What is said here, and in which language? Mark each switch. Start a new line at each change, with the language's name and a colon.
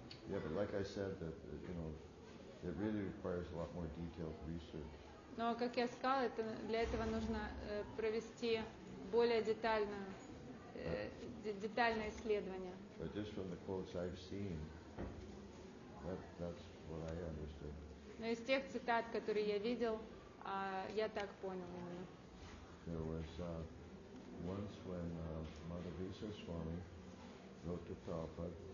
English: Yeah, but like I said, it really requires a lot more detailed research.
Russian: Но как я сказала, это для этого нужно провести более детальное исследование.
English: But just from the quotes I've seen, that's what I understood.
Russian: Но из тех цитат, которые я видел, я так понял именно.
English: There was once when Madhavisa Swami wrote to Prabhupada.